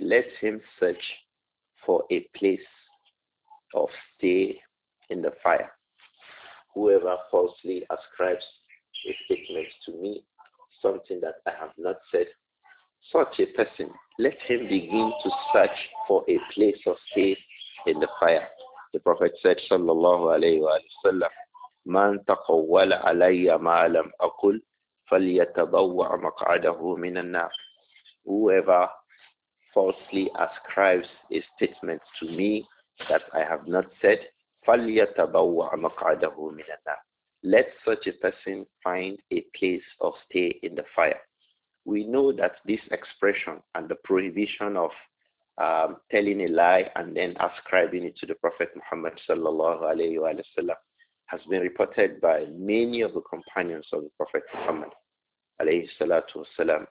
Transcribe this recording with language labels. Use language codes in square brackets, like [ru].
[en] Let him search for a place of stay in the fire. Whoever falsely ascribes a statement to me, something that I have not said, such a person, let him begin to search for a place of stay in the fire. The Prophet said, sallallahu alayhi wa sallam, [ar] مَنْ تَقَوَّلَ عَلَيَّ مَا لَمْ أَقُلْ فَلْيَتَبَوَّعْ مَقْعَدَهُ مِنَ النَّارِ. [en] Whoever falsely ascribes a statement to me that I have not said, [ar] فَلْيَتَبَوَّعْ مَقْعَدَهُ مِنَ النَّارِ. [en] Let such a person find a place of stay in the fire. We know that this expression and the prohibition of telling a lie and then ascribing it to the Prophet Muhammad sallallahu alayhi wa sallam has been reported by many of the companions of the Prophet Muhammad alayhi salatu wasalam.